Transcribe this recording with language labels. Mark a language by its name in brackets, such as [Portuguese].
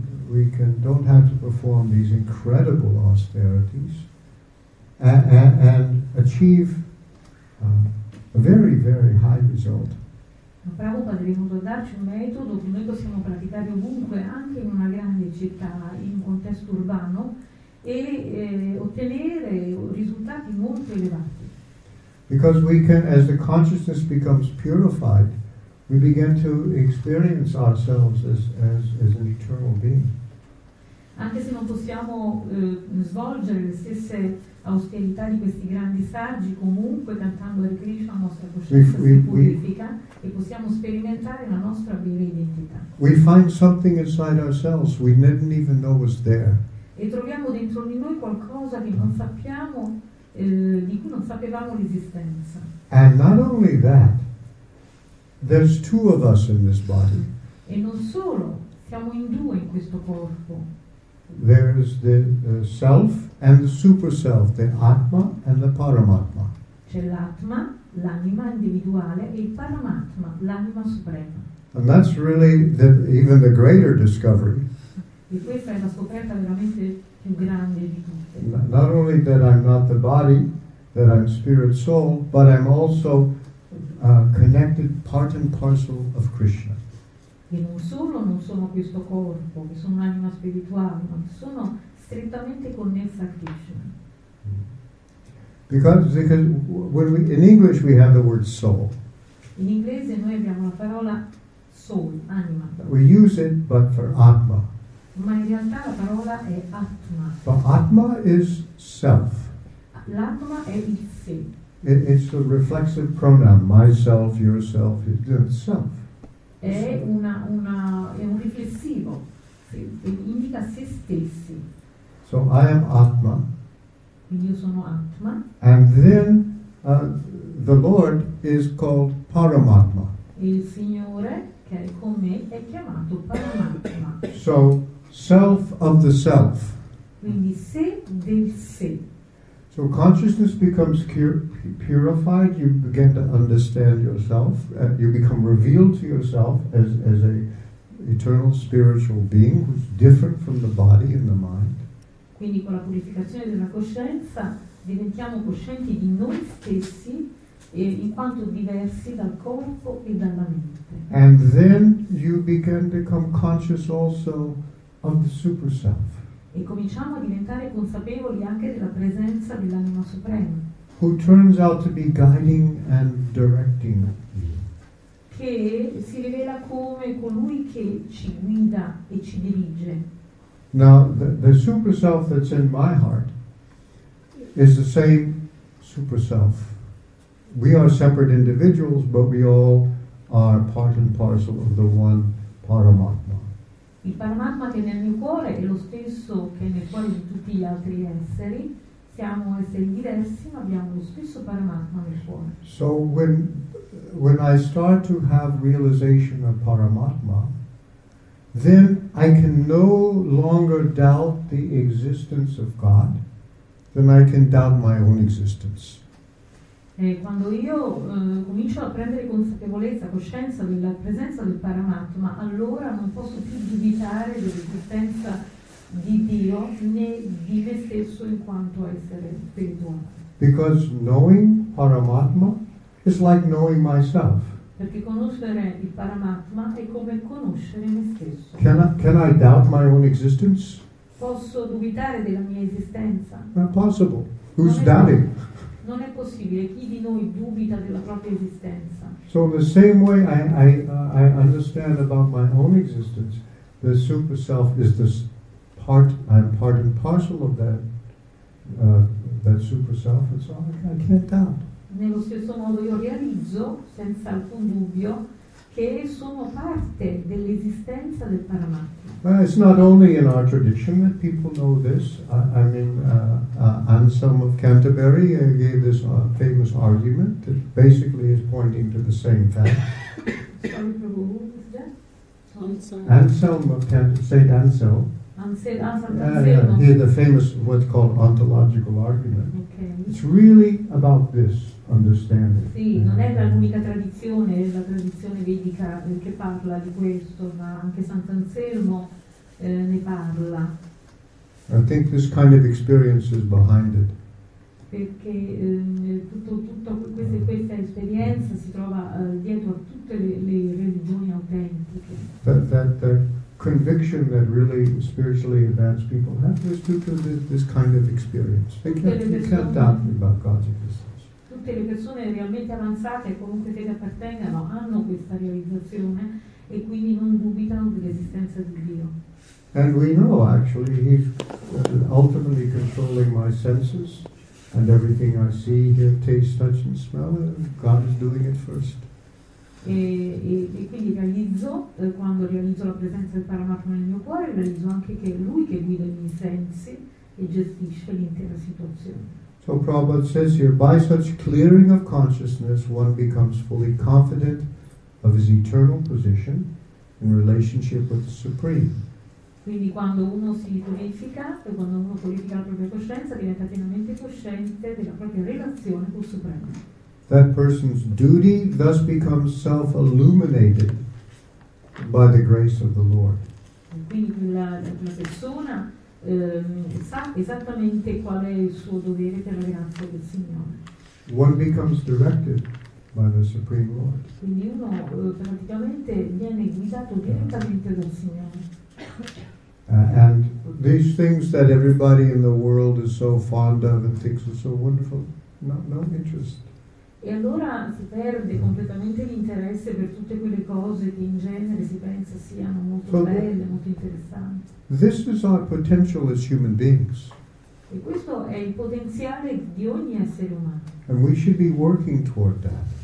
[English] We can don't have to perform these incredible austerities and achieve a very, very high result. [Italian] Prabhupada è venuto a darci un metodo che noi possiamo praticare ovunque, anche in una grande città, in un contesto urbano, e ottenere risultati molto elevati. [English] Because we can, as the consciousness becomes purified, we begin to experience ourselves as an eternal being. [Italian] Anche se non possiamo svolgere le stesse austerità di questi grandi saggi, comunque cantando Hare Krishna, la nostra coscienza si purifica e possiamo sperimentare la nostra vera identità. [English] We find something inside ourselves we didn't even know was there. [Italian] E troviamo dentro di noi qualcosa che non sappiamo di cui non sapevamo l'esistenza. [English] And not only that, there's two of us in this body. [Italian] E non solo, siamo in due in questo corpo. [English] There's the self and the super self, the Atma and the Paramatma. [Italian] C'è l'Atma, l'anima individuale, e il Paramatma, l'anima suprema. [English] And that's really the, even the greater discovery. [Italian] E questa è la scoperta veramente più grande di tutte. [English] Not only that I'm not the body, that I'm spirit soul, but I'm also connected part and parcel of Krishna. [Italian] E non solo non sono questo corpo, che sono un'anima spirituale, ma sono strettamente connessa a Krishna. [English] Because when we, in English we have the word soul. [Italian] In inglese noi abbiamo la parola soul, anima. [English] We use it, but for Atma. [Italian] Ma in realtà la parola è Atma. [English] But Atma is self. [Italian] L'Atma è il sé. [English] It's a reflexive pronoun, myself, yourself, itself. [Italian] È un riflessivo, indica se stessi. [English] So I am Atma. [Italian] Io sono Atma. [English] And then the Lord is called Paramatma. [Italian] Il Signore che è con me è chiamato Paramatma. [English] So self of the self. [Italian] Quindi sé del sé. [English] So consciousness becomes purified, you begin to understand yourself, you become revealed to yourself as a eternal spiritual being who's different from the body and the mind. [Italian] Quindi con la purificazione della coscienza diventiamo coscienti di noi stessi in quanto diversi dal corpo e dalla mente. [English] And then you begin to become conscious also of the super self. [Italian] E cominciamo a diventare consapevoli anche della presenza dell'anima suprema. [English] Who turns out to be guiding and directing you. [Italian] Che si rivela come colui che ci guida e ci dirige. [English] Now, the super self that's in my heart is the same super self. We are separate individuals, but we all are part and parcel of the one Paramatma. [Italian] Il Paramatma che nel mio cuore è lo stesso che nel cuore di tutti gli altri esseri. Siamo esseri diversi, ma abbiamo lo stesso Paramatma nel cuore. [English] So when I start to have realization of Paramatma, then I can no longer doubt the existence of God, then I can doubt my own existence. [Italian] E quando io comincio a prendere consapevolezza, coscienza della presenza del Paramatma, allora non posso più dubitare dell'esistenza di Dio né di me stesso in quanto essere spirituale. [English] Because knowing Paramatma is like knowing myself. [Italian] Perché conoscere il Paramatma è come conoscere me stesso. [English] Can I doubt my own existence? [Italian] Posso dubitare della mia esistenza? [English] Not possible. Who's doubting? [Italian] Non è possibile, chi di noi dubita della propria esistenza? [English] So the same way I understand about my own existence, the super self is this part, I'm part and parcel of that that super self, and so I can't doubt. [Italian] Nello stesso modo io realizzo, senza alcun dubbio, che sono parte dell'esistenza del Paramatma. [English] It's not only in our tradition that people know this. I mean, Anselm of Canterbury gave this famous argument that basically is pointing to the same fact. Anselm of Canterbury, Saint Anselm. Anselm. The famous what's called ontological argument. Okay. It's really about this. Understanding. [Italian] Sì, non è l'unica tradizione, è la tradizione vedica che parla di questo, ma anche Sant'Anselmo ne parla. [English] I think this kind of experience is behind it. [Italian] Perché questa esperienza si trova dietro a tutte le religioni autentiche. [English] That conviction that really spiritually advanced people have is due to this kind of experience. They can't doubt me about God's existence. [Italian] Tutte le persone realmente avanzate, comunque fede appartengano, hanno questa realizzazione e quindi non dubitano dell'esistenza di Dio. [English] And we know actually he's ultimately controlling my senses and everything I see, hear, taste, touch and smell, and God is doing it first. [Italian] E quindi realizzo, quando realizzo la presenza del Paramatma nel mio cuore, realizzo anche che è lui che guida i miei sensi e gestisce l'intera situazione. [English] So Prabhupada says here, by such clearing of consciousness, one becomes fully confident of his eternal position in relationship with the Supreme. [Italian] Quindi quando uno si purifica, quando uno purifica la propria coscienza, diventa pienamente cosciente della propria relazione col Supremo. [English] That person's duty thus becomes self-illuminated by the grace of the Lord. [Italian] Quindi la persona sa esattamente qual è il suo dovere per la grazia del Signore. [English] One becomes directed by the Supreme Lord. [Italian] Quindi uno praticamente viene guidato direttamente dal Signore. [English] And these things that everybody in the world is so fond of and thinks are so wonderful, no interest. [Italian] E allora si perde completamente l'interesse per tutte quelle cose che in genere si pensa siano molto belle, molto interessanti. [English] This is our potential as human beings. [Italian] E questo è il potenziale di ogni essere umano. [English] And we should be working toward that.